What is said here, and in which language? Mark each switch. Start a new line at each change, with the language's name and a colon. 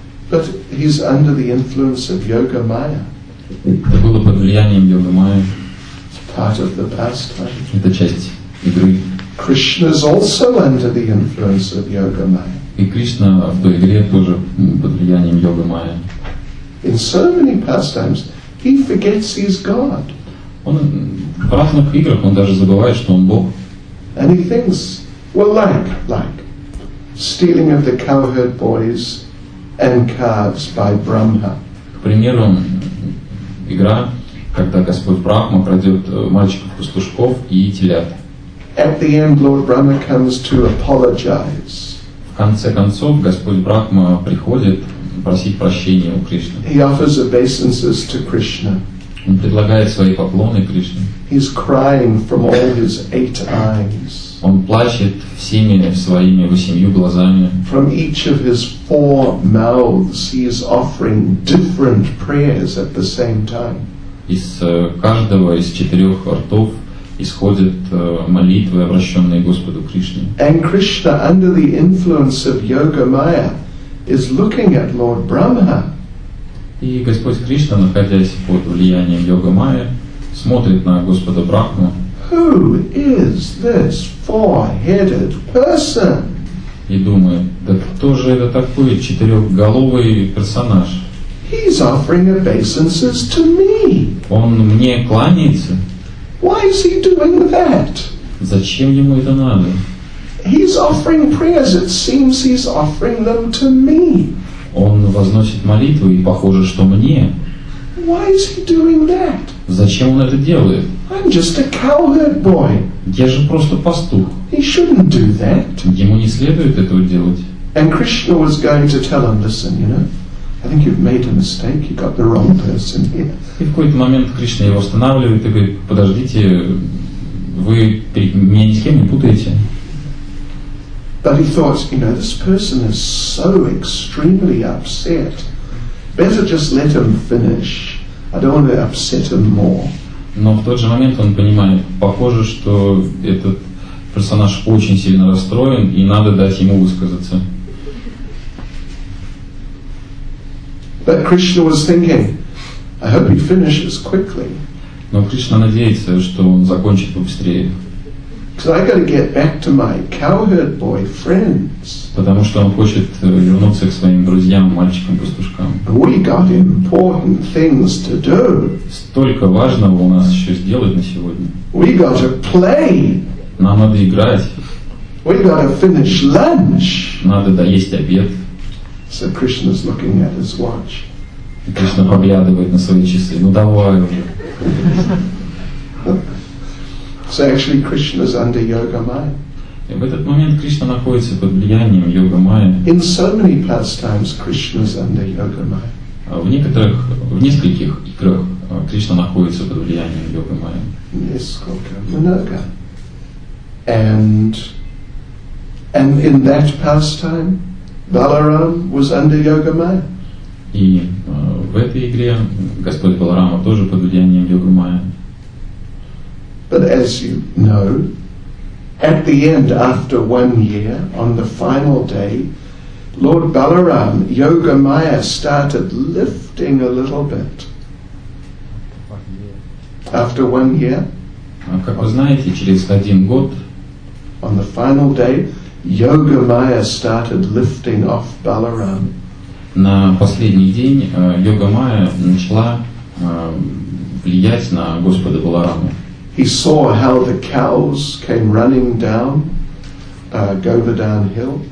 English: But he's under the influence of Yoga Maya.
Russian: Это было под влиянием Йога Майя.
English: Part of the pastime.
Russian: Это часть игры.
English: Krishna is also under the influence of Yoga Maya.
Russian: И Кришна в той игре тоже под влиянием Йога Майя.
English: In so many pastimes, he forgets he's God.
Russian: Он в разных играх он даже забывает, что он Бог.
English: And he thinks, well, like stealing of the cowherd boys and calves by Brahma.
Russian: К примеру, игра. Когда Господь Брахма крадет мальчиков-пастушков и телят.
English: At the end, Lord Brahma comes to apologize.
Russian: В конце концов, Господь Брахма приходит просить прощения у Кришны.
English: He offers obeisances to Krishna.
Russian: Он предлагает свои поклоны Кришне.
English: He's crying from all his eight eyes.
Russian: Он плачет всеми своими восемью глазами.
English: From each of his four mouths, he is offering different prayers at the same time.
Russian: Из каждого из четырех ртов исходят молитвы, обращенные Господу Кришне.
English: And Krishna, under the influence of Yoga Maya, is looking at Lord Brahma.
Russian: И Господь Кришна, находясь под влиянием Йога Майя, смотрит на Господа Брахму.
English: Who is this four-headed person?
Russian: И думает, да кто же это такой четырехголовый персонаж?
English: He's offering obeisances to me.
Russian: Он мне кланяется.
English: Why is he doing that?
Russian: Зачем ему это надо?
English: He's offering prayers. It seems he's offering them to me.
Russian: Он возносит молитвы и похоже, что мне.
English: Why is he doing that?
Russian: Зачем он это делает?
English: I'm just a cowherd boy.
Russian: Я же просто пастух.
English: He shouldn't do that.
Russian: Ему не следует этого делать.
English: And Krishna was going to tell him, listen, you know. I think you've made a mistake. You got the wrong person here.
Russian: И в какой-то момент Кришна его останавливает и говорит: подождите, вы меня ни с кем не путаете.
English: But he thought, you know, this person is so extremely upset. Better just let him finish. I don't want to upset him more.
Russian: Но в тот же момент он понимает, похоже, что этот персонаж очень сильно расстроен и надо дать ему высказаться.
English: But Krishna was thinking, I hope he finishes quickly.
Russian: Но Кришна надеется, что он закончит побыстрее.
English: Because I got to get back to my cowherd boy friends.
Russian: Потому что он хочет вернуться к своим друзьям, мальчикам-пастушкам.
English: We got important things to do.
Russian: Столько важного у нас еще сделать на сегодня.
English: We got to play.
Russian: Нам надо играть.
English: We got to finish lunch.
Russian: Надо доесть обед.
English: So Krishna's looking at his watch.
Russian: И Кришна поглядывает на свои часы. Ну давай уже.
English: So actually Krishna's under yoga maya.
Russian: И в этот момент Кришна находится под влиянием йога майя.
English: In so many pastimes Krishna's under yoga maya.
Russian: В нескольких играх Кришна находится под влиянием йога майя. Nisgunamanirga.
English: And in that pastime, Balaram was under yoga maya.
Russian: И в этой игре Господь Баларама тоже под влиянием йога майя.
English: But as you know, at the end, after 1 year, on the final day, Lord Balaram, Yoga Maya, started lifting a little bit. After 1 year.
Russian: Как вы знаете, через один год.
English: On the final day, Yoga Maya started lifting off Balaram.
Russian: На последний день Йога Майя начала влиять на Господа Баларама.
English: He saw how the cows came running down Govardhan Hill.